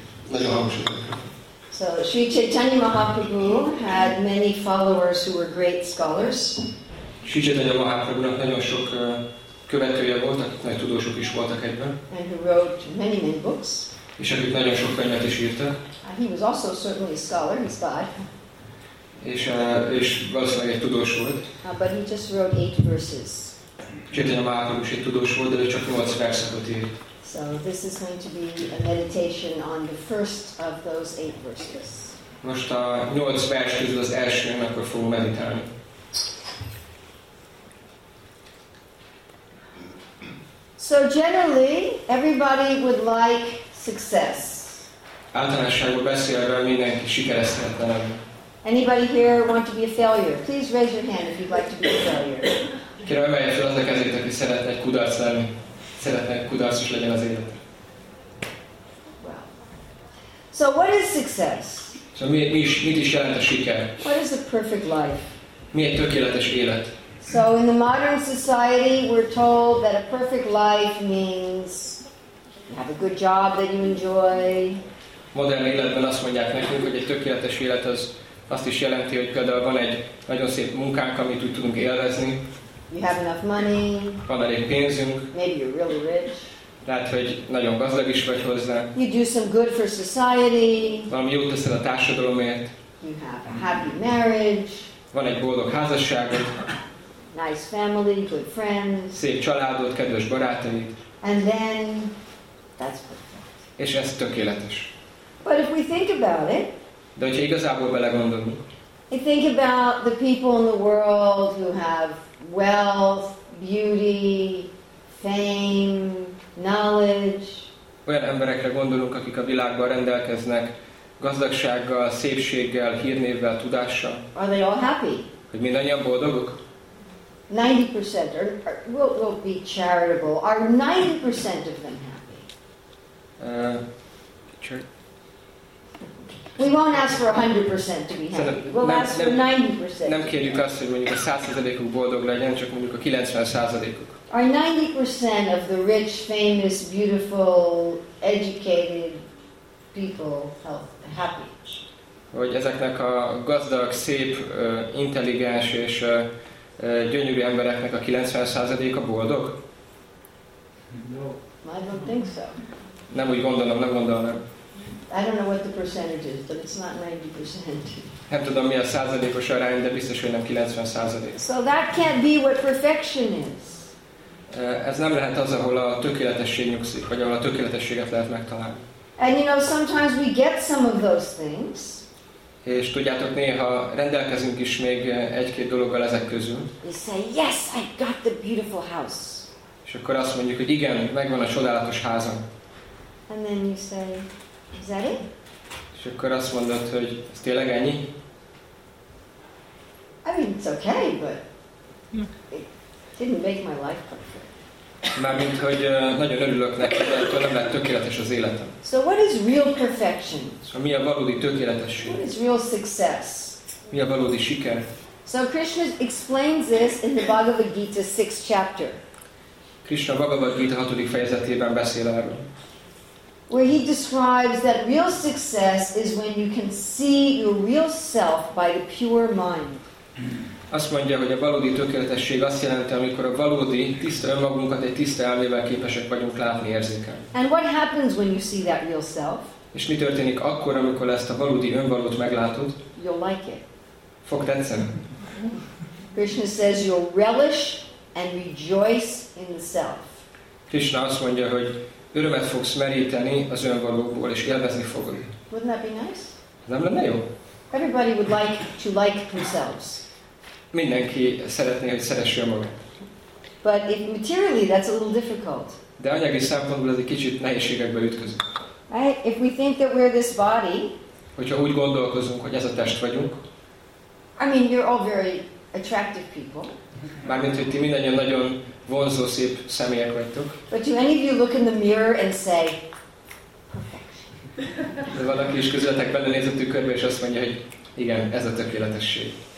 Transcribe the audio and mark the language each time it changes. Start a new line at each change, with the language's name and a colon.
Hungarian: Nagyon hangosan.
English: So Sri Chaitanya Mahaprabhu had many followers who were great scholars.
Hungarian: Sri Chaitanya Mahaprabhunak nagyon sok követője volt, akik nagy tudósok is voltak egyben.
English: And who wrote many, many books.
Hungarian: És akik nagyon sok könyvet is írtak.
English: And he was also certainly a scholar, he's God.
Hungarian: És valószínűleg egy tudós volt.
English: But he just wrote 8 verses.
Hungarian: Chaitanya Mahaprabhu is egy tudós volt, de ő csak 8 verset írt.
English: So this is going to be a meditation on the first of those 8 verses.
Hungarian: Most a 8 vers közül az elsőn, akkor fogom meditálni.
English: So generally, everybody would like success.
Hungarian: Általánosságban beszélve mindenki sikeres szeretne lenni.
English: Anybody here want to be a failure? Please raise your hand if you'd like to be a failure.
Hungarian: Kérem, emelje fel az a kezét, aki szeretne egy kudarc lenni. Szeretne egy kudarcos legyen az élet.
English: Well. So what is success?
Hungarian: So mit is jelent a siker?
English: What is a perfect life?
Hungarian: Mi egy tökéletes élet?
English: So in the modern society we're told that a perfect life means you have a good job that you enjoy.
Hungarian: Modern életben azt mondják nekünk, hogy egy tökéletes élet az azt is jelenti, hogy például van egy nagyon szép munkánk, amit úgy tudunk élvezni.
English: You have enough money.
Hungarian: Van elég pénzünk.
English: Maybe you're really rich.
Hungarian: Lehet, hogy nagyon gazdag is vagy hozzá.
English: You do some good for society.
Hungarian: Valami jót teszel a társadalomért.
English: You have a happy marriage.
Hungarian: Van egy boldog házasságod.
English: Nice family, good friends.
Hungarian: Szép családod, kedves barátaid.
English: And then, that's perfect.
Hungarian: És ez tökéletes.
English: But if we think about it,
Hungarian: de hogyha igazából belegondolunk.
English: I think about the people in the world who have wealth, beauty, fame, knowledge.
Hungarian: Olyan emberekre gondolunk, akik a világban rendelkeznek gazdagsággal, szépséggel, hírnévvel, tudással.
English: Are they all happy?
Hungarian: Hogy mindannyian boldogok?
English: 90% will be charitable. Are 90% of them happy? We won't ask for 100% to be happy. We'll ask for 90%.
Hungarian: Nem kérjük azt, hogy mondjuk a 100%-uk boldog legyen, csak mondjuk a 90%-uk.
English: Are 90% of the rich, famous, beautiful, educated people happy?
Hungarian: Hogy ezeknek a gazdag, szép, intelligens és gyönyörű embereknek a 90%-a boldog?
English: No. I don't think so.
Hungarian: Nem úgy gondolom, nem gondolnám.
English: I don't know what the percentage is, but it's not 90%.
Hungarian: Nem tudom, mi a százalékos arány, de biztos, hogy nem 90%.
English: So that can't be what perfection is.
Hungarian: Ez nem lehet az, ahol a tökéletesség nyugszik, vagy ahol a tökéletességet lehet megtalálni.
English: And you know, sometimes we get some of those things.
Hungarian: És tudjátok, néha rendelkezünk is még egy-két dologgal ezek közül.
English: We say, yes, I got the beautiful house.
Hungarian: És akkor azt mondjuk, hogy igen, megvan a csodálatos házam.
English: And then you say, is that it?
Hungarian: És akkor azt mondod, hogy ez tényleg ennyi?
English: I mean, it's okay, but didn't make my life perfect.
Hungarian: Mármint, hogy nagyon örülök neki, de akkor nem lett tökéletes az életem.
English: So what is real perfection?
Hungarian: Mi a valódi tökéletesség?
English: What is real success?
Hungarian: Mi a valódi siker?
English: So Krishna explains this in the Bhagavad Gita 6th chapter.
Hungarian: Krishna Bhagavad Gita 6. fejezetében beszél erről.
English: Where he describes that real success is when you can see your real self by the pure mind.
Hungarian: Azt mondja, hogy a valódi tökéletesség azt jelenti, amikor a valódi tiszta önmagunkat egy tiszta elmével képesek vagyunk látni érzékel.
English: And what happens when you see that real self?
Hungarian: És mi történik akkor, amikor ezt a valódi önvalót meglátod?
English: You'll like it.
Hungarian: Fog tetszeni.
English: Krishna says you'll relish and rejoice in the self.
Hungarian: Krishna azt mondja, hogy örömet fogsz meríteni az önvalóból, és élvezni fogod.
English: Wouldn't that be nice?
Hungarian: Nem lenne jó?
English: Everybody would like to like themselves.
Hungarian: Mindenki szeretné, hogy szeresse magát.
English: But if materially that's a little difficult.
Hungarian: De anyagi szempontból ez egy kicsit nehézségekbe ütközik.
English: Right? If we think that we're this body.
Hungarian: Hogyha úgy gondolkozunk, hogy ez a test vagyunk.
English: I mean, you're all very attractive people.
Hungarian: Mármint, hogy ti mindannyian nagyon vonzó, szép személyek vagytok.
English: But do any of you look in the mirror and say, perfection?
Hungarian: De valaki is közületek belenéz a tükörbe, és azt mondja, hogy igen, ez a tökéletesség.